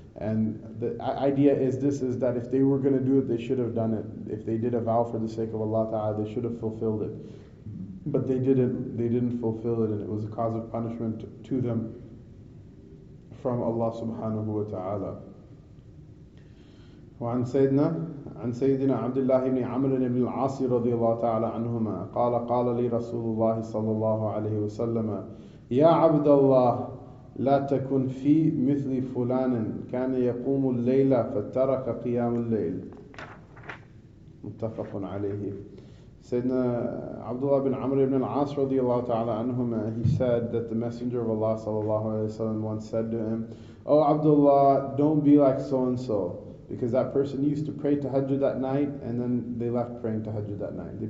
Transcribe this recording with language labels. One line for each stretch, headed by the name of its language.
English: And the idea is this, is that if they were going to do it, they should have done it. If they did a vow for the sake of Allah Ta'ala, they should have fulfilled it. But they didn't. They didn't fulfill it, and it was a cause of punishment to them from Allah Subhanahu wa Ta'ala.
Arabic: وعن سيدنا عن سيدنا عبد الله بن عمر بن العاص رضي الله تعالى عنهما قال قال لي رسول الله صلى الله عليه وسلم يا عبد الله لا تكن في مثل فلان كان يقوم الليل فترك قيام الليل. متفق عليه.
English: Sayyidina Abdullah bin Amr ibn al-As radiyallahu ta'ala anhuma, he said that the Messenger of Allah sallallahu alayhi wa sallam once said to him, oh Abdullah, don't be like so-and-so, because that person used to pray tahajjud at night, and then they left praying tahajjud that night.